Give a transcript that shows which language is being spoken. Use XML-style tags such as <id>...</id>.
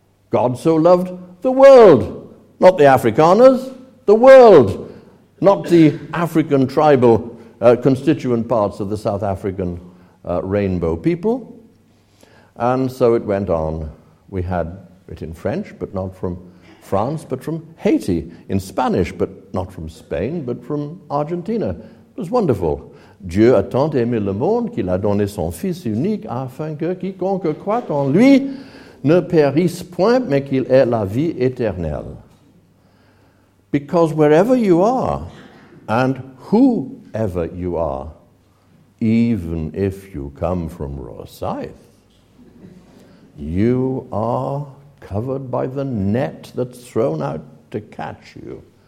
<en>God so loved the world, not the Afrikaners, the world, not the African tribal constituent parts of the South African rainbow people. And so it went on. We had it in French, but not from France, but from Haiti. In Spanish, but not from Spain, but from Argentina. It was wonderful.</en> <fr>Dieu a tant aimé le monde qu'il a donné son fils unique afin que quiconque croit en lui ne périsse point, mais qu'il ait la vie éternelle.</fr> <en>Because wherever you are, and whoever you are, even if you come from Rosyth, you are covered by the net that's thrown out to catch you.</en>